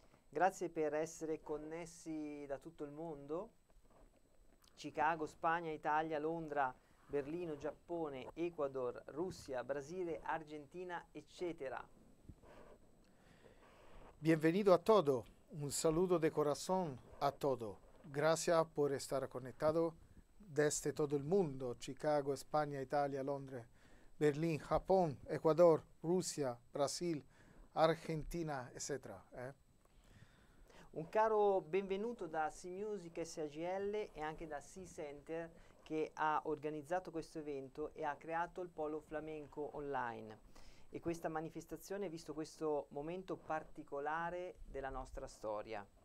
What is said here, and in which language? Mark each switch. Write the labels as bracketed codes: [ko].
[it] Grazie per essere connessi da tutto il mondo, Chicago, Spagna, Italia, Londra, Berlino, Giappone, Ecuador, Russia, Brasile, Argentina, eccetera. [es] Bienvenido a todo, un saludo de corazón a todo. Gracias por estar conectado desde todo el mundo: Chicago, España, Italia, Londres, Berlín, Japón, Ecuador, Rusia, Brasil, Argentina, etc. [it] Un caro benvenuto da C-Music SAGL e anche da C-Center che ha organizzato questo evento e ha creato il Polo Flamenco Online e questa manifestazione visto questo momento particolare della nostra storia.